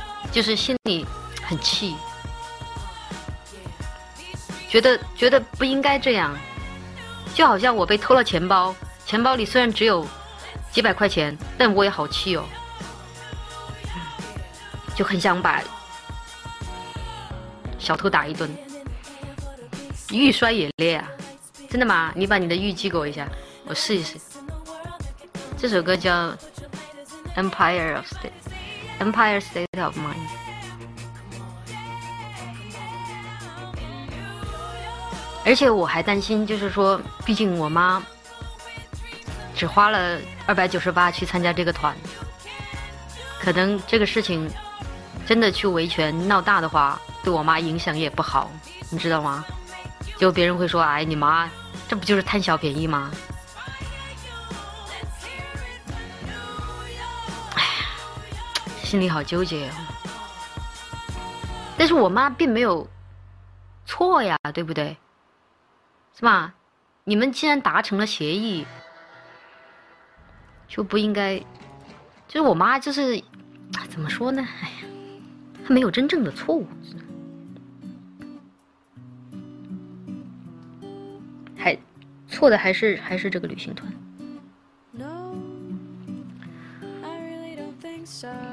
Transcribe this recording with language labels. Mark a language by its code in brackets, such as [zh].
[zh] 就是心里很气，觉得不应该这样，就好像我被偷了钱包，钱包里虽然只有几百块钱，但我也好气哦，就很想把小偷打一顿，玉摔也裂啊。真的吗？你把你的玉寄给我一下，我试一试。这首歌叫 Empire State of Mind。而且我还担心，就是说毕竟我妈只花了298去参加这个团，可能这个事情真的去维权闹大的话，对我妈影响也不好，你知道吗？就别人会说，哎，你妈这不就是贪小便宜吗？哎，心里好纠结哦。但是我妈并没有错呀，对不对？是吧？你们既然达成了协议，就不应该。就是我妈，就是怎么说呢？哎呀，她没有真正的错误，还错的还是这个旅行团。 [en] No, I really don't think so.